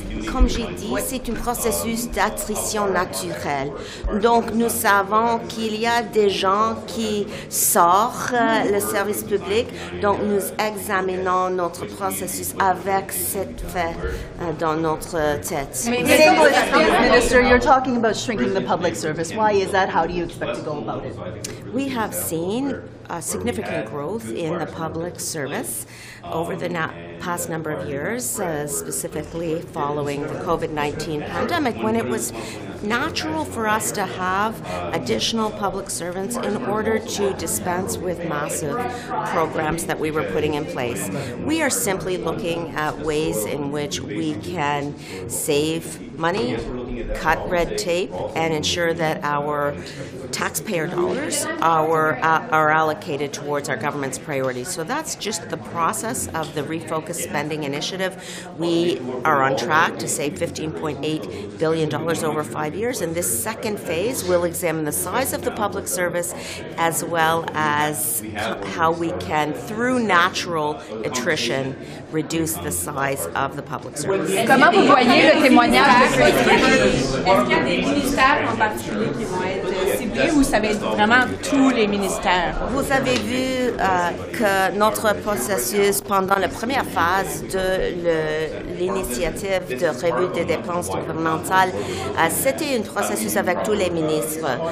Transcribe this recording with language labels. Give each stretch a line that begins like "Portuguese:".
French: Comme j'ai dit, c'est un processus d'attrition naturelle. Donc, nous savons qu'il y a des gens qui sortent le service public. Donc, nous examinons notre processus avec cette fait dans notre tête.
English: Minister, you're talking about shrinking the public service. Why is that? How do you expect to go about it? We have seen a significant growth in the public service over the past number of years, specifically following the COVID-19 pandemic, when it was natural for us to have additional public servants in order to dispense with massive programs that we were putting in place. We are simply looking at ways in which we can save money, cut red tape, and ensure that our taxpayer dollars are allocated towards our government's priorities. So that's just the process of the refocused spending initiative. We are on track to save $15.8 billion over 5 years. And this second phase will examine the size of the public service as well as how we can, through natural attrition, reduce the size of the public service.
French: Comment vous voyez le témoignage de Fraser? Est-ce qu'il y a des ministères en particulier qui vont être ciblés ou ça va être vraiment tous les ministères? Vous avez vu que notre processus pendant la première phase de l'initiative de revue des dépenses gouvernementales, c'était un processus avec tous les ministres.